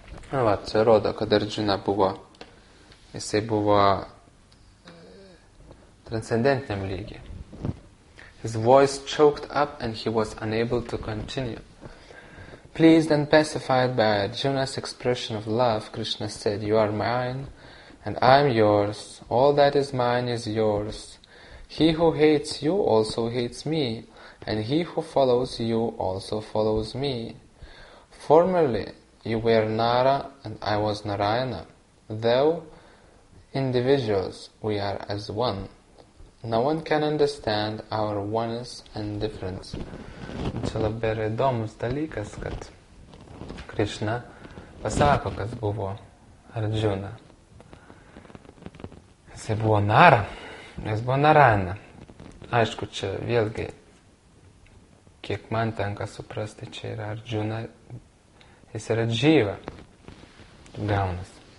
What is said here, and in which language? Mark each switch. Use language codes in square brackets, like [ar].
[lt] Va, čia rodo, kad Arjuna buvo, jisai buvo transcendentiniam lygį. [en] His voice choked up and he was unable to continue. Pleased and pacified by Arjuna's expression of love, Krishna said, You are mine and I am yours. All that is mine is yours. He who hates you also hates me, and he who follows you also follows me. Formerly, you were Nara and I was Narayana. Though individuals, we are as one. No one can understand our oneness and difference. [lt] Čia labai yra įdomus dalykas, kad Krishna pasako, kas buvo Arjuna. Jisai buvo Nara, jis buvo Narayana. Aišku, čia vėlgi, kiek man tenka suprasti, čia yra Arjuna, jis yra džyva. Gaunas.